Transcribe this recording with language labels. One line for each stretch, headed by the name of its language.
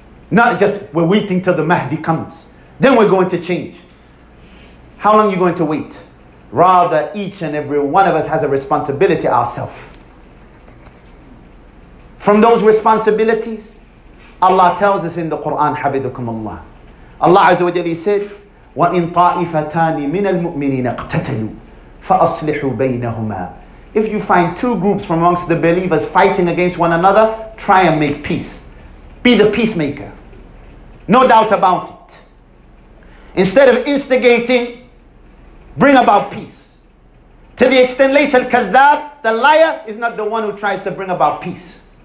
English: Not just we're waiting till the Mahdi comes. Then we're going to change. How long are you going to wait? Rather, each and every one of us has a responsibility ourselves. From those responsibilities, Allah tells us in the Quran,
Arabic: حفظكم الله.
English: Allah Azza wa Jalla said,
Arabic: وَإِن طَائِفَتَانِ مِنَ الْمُؤْمِنِينَ اقْتَتَلُوا فَأَصْلِحُوا بَيْنَهُمَا.
English: If you find two groups from amongst the believers fighting against one another, try and make peace. Be the peacemaker. No doubt about it. Instead of instigating, bring about peace. To the extent,
Arabic: لَيْسَ الْكَذَّابِ,
English: the liar is not the one who tries to bring about peace.